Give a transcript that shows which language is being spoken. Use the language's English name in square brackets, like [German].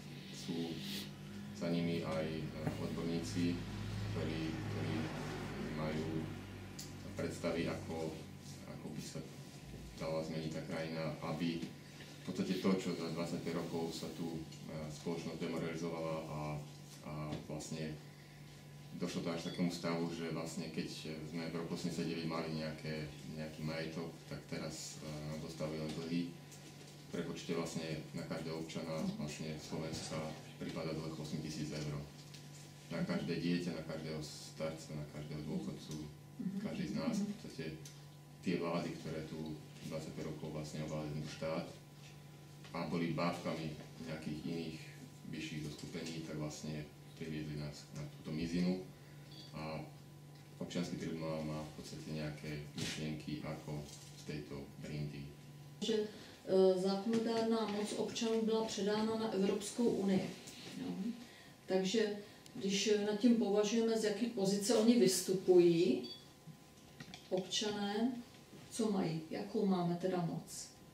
[Slovak] Sú za nimi aj odborníci, ktorí majú predstavy, ako by sa dala zmeniť tá krajina, aby v podstate to, čo za 25 rokov sa tu spoločnosť demoralizovala a vlastne došlo to až k takému stavu, že vlastne keď sme v roku 89 mali nejaký majetok, tak teraz nám dostali len dlhy. Prepočte vlastne na každého občana vlastne Slovenska pripadá dlh 8000 eur. Na každé dieťa, na každého starca, na každého dôchodcu, každý z nás. V podstate tie vlády, ktoré tu 25 rokov vlastne ovládli ten štát a boli bábkami nejakých iných vyšších zoskupení, tak vlastne priviedli nás na túto mizinu a občiansky tribunál má v podstate nejaké myšlienky ako v tejto brindy. [Czech] Že zákonodárna moc občanov byla předána na Európskou unii. No. Takže když nad tím považujeme, z jaký pozice oni vystupují, občané, co mají, jakou máme teda moc?